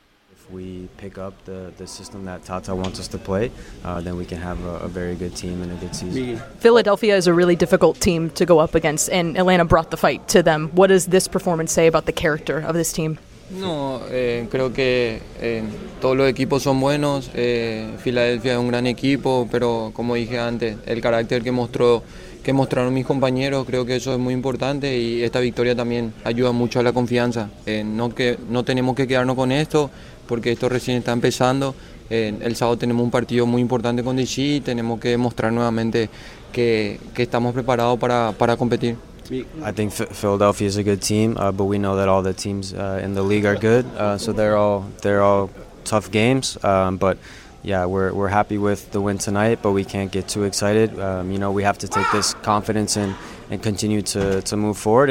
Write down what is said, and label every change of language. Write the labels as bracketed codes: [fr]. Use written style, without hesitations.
[en] If we pick up the system that Tata wants us to play, then we can have a very good team and a good season. Philadelphia is a really difficult team to go up against, and Atlanta brought the fight to them. What does this performance say about the character of this team? [es] No, creo que todos los equipos son buenos. Filadelfia es un gran equipo, pero como dije antes, el carácter que mostraron mis compañeros, creo que eso es muy importante y esta victoria también ayuda mucho a la confianza. No tenemos que quedarnos con esto, porque esto recién está empezando. El sábado tenemos un partido muy importante con DC y tenemos que demostrar nuevamente que estamos preparados para competir. [en] I think Philadelphia is a good team, but we know that all the teams in the league are good. So they're all tough games. But yeah, we're happy with the win tonight, but we can't get too excited. We have to take this confidence and continue to move forward.